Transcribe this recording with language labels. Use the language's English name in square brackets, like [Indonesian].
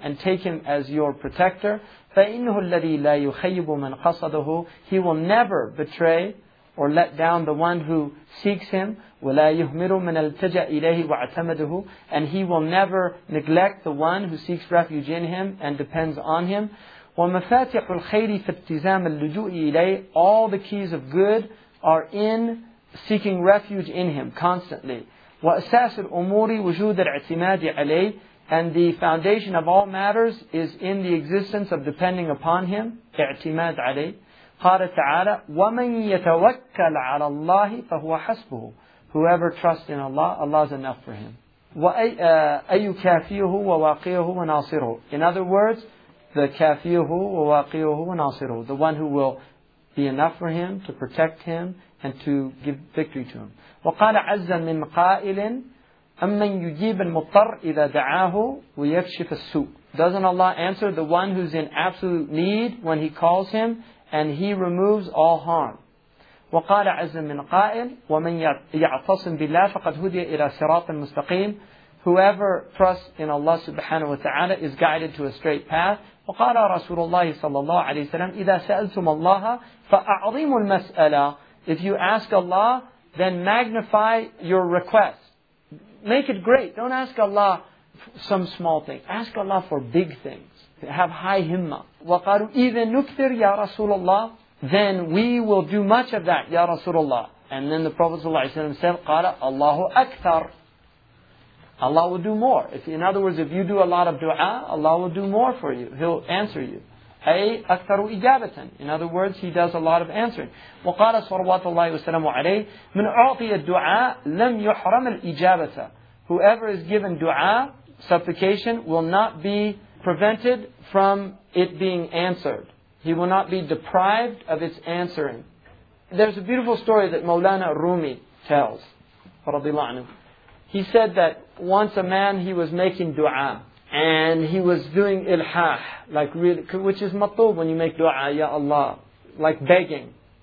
[English] And take him as your protector. [Arabic] فَإِنْهُ الَّذِي لَا يُخَيِّبُ مَنْ قَصَدَهُ. [English] He will never betray or let down the one who seeks him. [Arabic] وَلَا يُهْمِرُ مَنْ أَلْتَجَأَ إِلَيْهِ وَاعْتَمَدَهُ. [English] And he will never neglect the one who seeks refuge in him and depends on him. [Arabic] ومفاتيح الخير في ابتزام اللجوء إليه. [English] All the keys of good are in seeking refuge in him constantly. [Arabic] وأساس الأمور وجود الاعتماد عليه. [English] And the foundation of all matters is in the existence of depending upon him. [Arabic] اعتماد عليه. قال تعالى ومن يتوكل على الله فهو حسبه. [English] Whoever trusts in Allah, Allah is enough for him. [Arabic] وأي كافيه وواقيه وناصره. [English] In other words, the kafiyuhu wa waqiyuhu wa nasiruhu, the one who will be enough for him, to protect him, and to give victory to him. [Arabic] وَقَالَ عَزَّ مِنْ قَائِلٍ أَمَّنْ يُجِيبَ الْمُطَّرِ إِذَا دَعَاهُ وَيَكْشِفَ السُّوءِ. [English] Doesn't Allah answer the one who's in absolute need when he calls him, and he removes all harm? [Arabic] وَقَالَ عَزَّ مِنْ قَائِلٍ وَمَنْ يَعْتَصِمْ بِاللَّهِ فَقَدْ هُدِيَ إِلَى صِرَاطٍ مُسْتَقِيمٍ. [English] Whoever trusts in Allah subhanahu wa ta'ala is guided to a straight path. [Arabic] وقال رسول الله صلى الله عليه وسلم إذا سألتم الله فأعظموا المسألة. [English] If you ask Allah, then magnify your request. Make it great. Don't ask Allah some small thing. Ask Allah for big things. Have high himmah. [Arabic] وقالوا إذا نكثر يا رسول الله. [English] Then we will do much of that, [Arabic] يا رسول الله. [English] And then the Prophet [Arabic] صلى الله عليه وسلم [English] said, [Arabic] قال الله أكثر. [English] Allah will do more. If, in other words, if you do a lot of dua, Allah will do more for you. He'll answer you. [Arabic] أي أكثر إجابة. [English] In other words, he does a lot of answering. [Arabic] وقال صلوات الله وسلامه عليه من أعطي الدعاء لم يحرم الإجابة. [English] Whoever is given dua, supplication, will not be prevented from it being answered. He will not be deprived of its answering. There's a beautiful story that Mawlana Rumi tells. [Arabic] رضي الله عنه. [English] He said that once a man, he was making dua, and he was doing ilhah, like really, which is matub when you make dua, ya Allah, like begging.